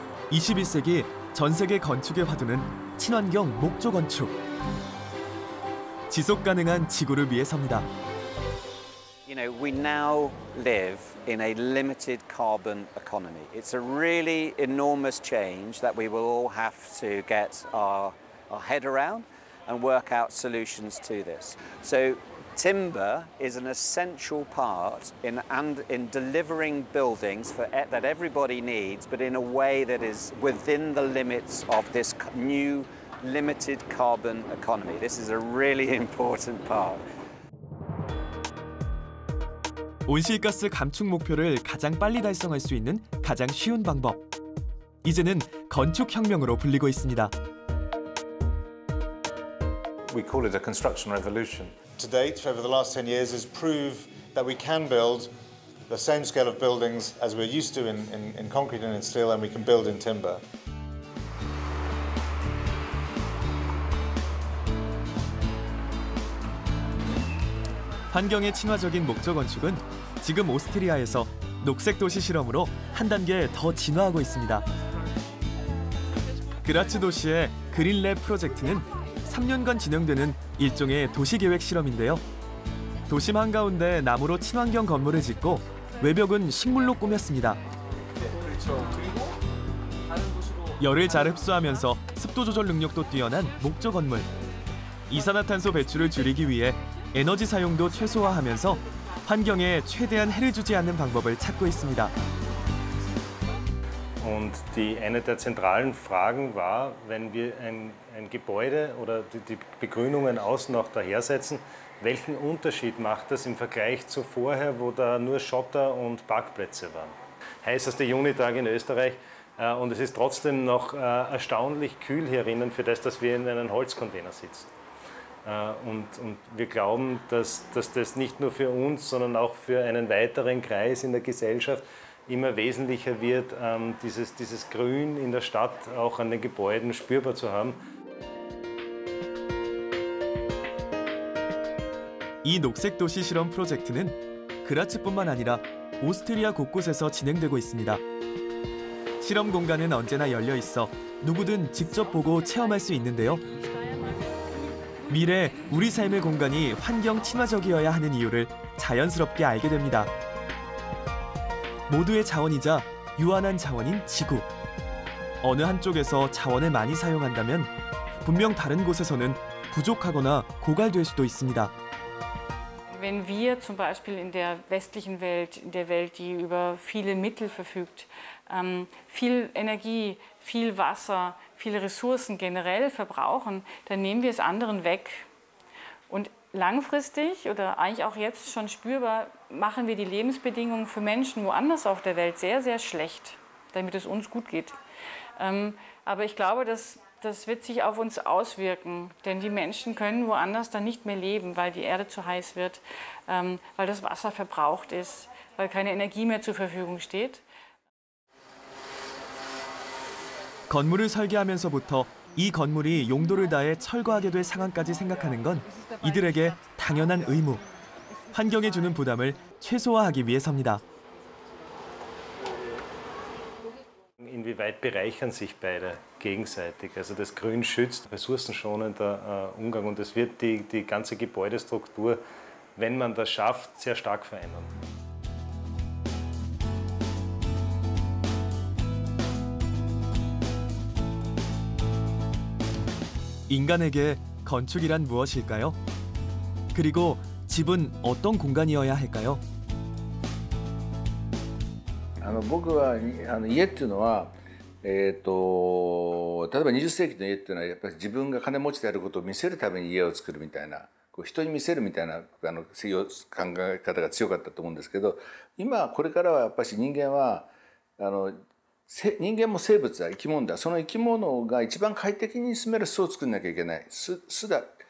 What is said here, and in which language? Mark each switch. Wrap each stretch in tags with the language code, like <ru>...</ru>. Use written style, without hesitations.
<ko>21세기 전 세계 건축의 화두는 친환경 목조 건축. 지속 가능한 지구를 위해서입니다.</ko> <en>You know, we now live in a limited carbon economy. It's a really enormous change that we will all have to get our head around and work out solutions to this. So timber is an essential part in delivering buildings that everybody needs, but in a way that is within the limits of this new limited carbon economy. This is a really important part.</en> <ko>온실가스 감축 목표를 가장 빨리 달성할 수 있는 가장 쉬운 방법. 이제는 건축 혁명으로 불리고 있습니다.</ko> <en>We call it a construction revolution. To date, over the last 10 years, is proof that we can build the same scale of buildings as we're used to in concrete and in steel, and we can build in timber.</en> <ko>환경에 친화적인 목조 건축은 지금 오스트리아에서 녹색 도시 실험으로 한 단계 더 진화하고 있습니다. 그라츠 도시의 그린랩 프로젝트는 3년간 진행되는 일종의 도시계획 실험인데요. 도심 한가운데 나무로 친환경 건물을 짓고 외벽은 식물로 꾸몄습니다. 열을 잘 흡수하면서 습도 조절 능력도 뛰어난 목조 건물. 이산화탄소 배출을 줄이기 위해 에너지 사용도 최소화하면서 환경에 최대한 해를 주지 않는 방법을 찾고 있습니다.</ko> <de>Und die eine der zentralen Fragen war, wenn wir ein Gebäude oder die Begrünungen außen noch dahersetzen, welchen Unterschied macht das im Vergleich zu vorher, wo da nur Schotter und Parkplätze waren? Heißeste Junitag in Österreich und es ist trotzdem noch erstaunlich kühl hier drinnen für das, dass wir in einem Holzcontainer sitzen. Und wir glauben, dass das nicht nur für uns, sondern auch für einen weiteren Kreis in der Gesellschaft immer wesentlicher wird, dieses Grün in der Stadt auch an den Gebäuden spürbar zu haben.</de> <ko>이 녹색 도시 실험 프로젝트는 그라츠뿐만 아니라 오스트리아 곳곳에서 진행되고 있습니다. 실험 공간은 언제나 열려 있어 누구든 직접 보고 체험할 수 있는데요. 미래 우리 삶의 공간이 환경 친화적이어야 하는 이유를 자연스럽게 알게 됩니다. 모두의 자원이자 유한한 자원인 지구. 어느 한쪽에서 자원을 많이 사용한다면 분명 다른 곳에서는 부족하거나 고갈될 수도 있습니다.</ko> <de>Wenn wir zum Beispiel in der westlichen Welt, in der Welt, die über viele Mittel verfügt, viel Energie, viel Wasser, viele Ressourcen generell verbrauchen, dann nehmen wir es anderen weg. Und langfristig oder eigentlich auch jetzt schon spürbar machen wir die Lebensbedingungen für Menschen woanders auf der Welt sehr, sehr schlecht, damit es uns gut geht. Aber ich glaube, das wird sich auf uns auswirken, denn die Menschen können woanders dann nicht mehr leben, weil die Erde zu heiß wird, weil das Wasser verbraucht ist, weil keine Energie mehr zur Verfügung steht.</de> <ko>건물을 설계하면서부터 이 건물이 용도를 다해 철거하게 될 상황까지 생각하는 건 이들에게 당연한 의무. 환경에 주는 부담을 최소화하기 위해서입니다.</ko> <de>Inwieweit bereichern sich beide gegenseitig? Also das Grün schützt, ressourcenschonender Umgang und es wird die ganze Gebäudestruktur, wenn man das schafft, sehr stark verändern.</de> <ko>인간에게 건축이란 무엇일까요? 그리고 집은 어떤 공간이어야 할까요?</ko> <ja>僕は家っていうのは例えば 20世紀の家っていうのはやっぱり自分が金持ちであることを見せるために家を作るみたいな人に見せるみたいな考え方が強かったと思うんですけど今これからはやっぱり人間は 人間も生物は生き物だ。その生き物が一番快適に住める巣を作んなきゃいけない。巣だ。</ja>